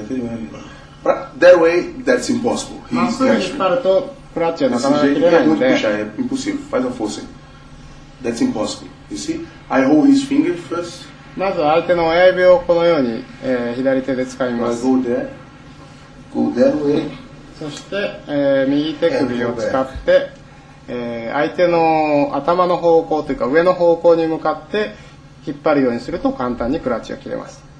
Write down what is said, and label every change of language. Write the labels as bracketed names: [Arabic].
[English] See what I'm fucking. That way, that's impossible. [Japanese] まっすぐ引っ張るとクラッチはなかなか切れないので。 [English] Impossible. Find a force. That's impossible. You see, I hold his finger first. [Japanese] まず相手の親指をこのように、左手で掴みます。 [English] Go there. Go that way. [Japanese] そして、右手首を使って、相手の頭の方向というか上の方向に向かって引っ張るようにすると簡単にクラッチが切れます。